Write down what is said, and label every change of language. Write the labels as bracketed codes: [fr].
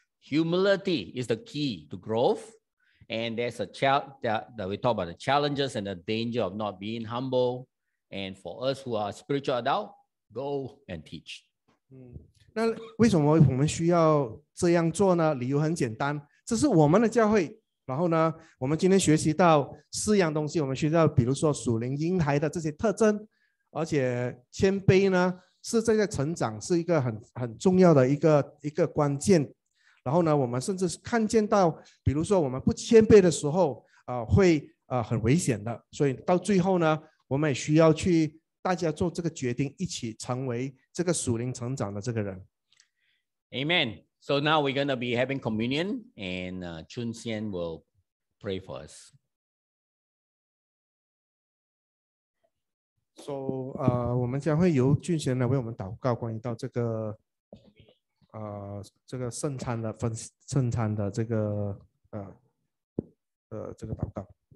[en] Humility is the key to growth, and there's a that we talk about the challenges and the danger of not being humble, and for us who are spiritual adult, go and teach. [zh] 那为什么我们需要这样做呢？理由很简单，这是我们的教会。然后呢，我们今天学习到四样东西，我们学到比如说属灵婴孩的这些特征，而且谦卑呢是在成长是一个 很重要的一个关键。然后呢，我们甚至看见到比如说我们不谦卑的时候会很危险的。所以到最后呢，我们也需要去大家做这个决定，一起成为这个属灵成长的这个人。 [en] Amen. So now we're going to be having communion and Chun Xian will pray for us. [zh] So 我们将会由俊贤来为我们祷告关于到这个这个圣餐的这个祷告。